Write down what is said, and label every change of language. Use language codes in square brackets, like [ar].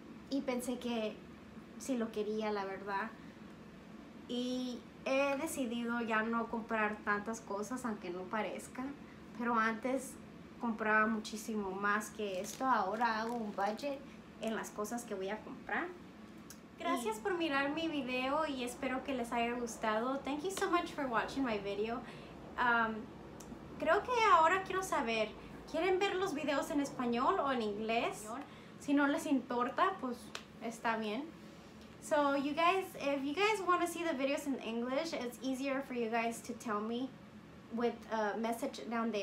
[es] Y pensé que sí lo quería, la verdad. Y he decidido ya no comprar tantas cosas, aunque no parezca. Pero antes compraba muchísimo más que esto. Ahora hago un budget en las cosas que voy a comprar. Gracias por mirar mi video y espero que les haya gustado. [en] Thank you so much for watching my video. [es] Creo que ahora quiero saber, ¿quieren ver los videos en español o en inglés? Si no les importa, pues está bien. [en] So you guys, if you guys want to see the videos in English, it's easier for you guys to tell me with a message down there.